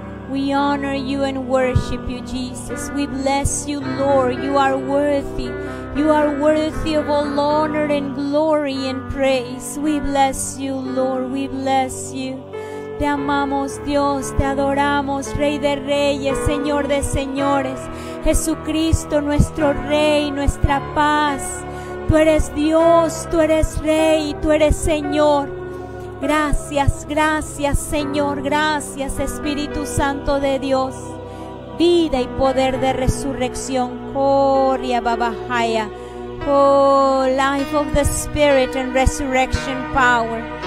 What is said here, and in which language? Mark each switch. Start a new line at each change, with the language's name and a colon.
English: We honor you and worship you, Jesus. We bless you, Lord. You are worthy. You are worthy of all honor and glory and praise. We bless you, Lord. We bless you.
Spanish: Te amamos, Dios. Te adoramos, Rey de Reyes, Señor de Señores. Jesucristo, nuestro Rey, nuestra paz. Tú eres Dios, tú eres Rey, tú eres Señor. Gracias, gracias, Señor. Gracias, Espíritu Santo de Dios. Vida y poder de resurrección. Gloria, Babahaya.
English: Oh, life of the Spirit and resurrection power.